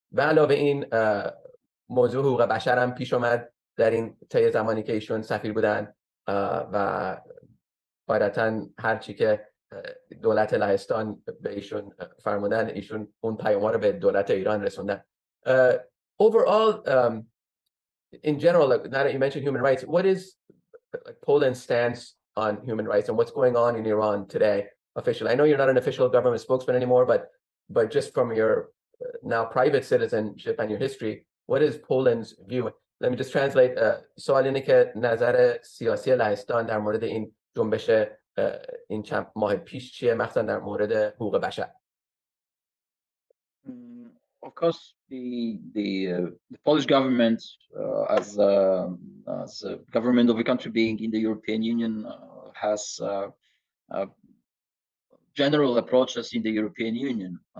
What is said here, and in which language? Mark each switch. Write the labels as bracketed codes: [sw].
[fa] و علاوه این موضوع حقوق بشر هم پیش اومد در این طی زمانی که ایشون سفیر بودن، و قاعدتا هر چی که دولت لهستان به ایشون فرمودن، ایشون اون پیام‌ها رو به دولت ایران رسوندن. [en] Overall, in general, like, now that you mentioned human rights, what is like Poland's stance on human rights and what's going on in Iran today officially? I know you're not an official government spokesman anymore, but just from your now private citizenship and your history, what is Poland's view? let me just translate. [fa] سوال اینه که نظر سیاسی لهستان در مورد این جنبش این چند ماه پیش چیه، مخصوصا در مورد حقوق بشر؟ [en] Of course, the Polish government, as a government of a country being in the European Union, has a general approaches in the European Union.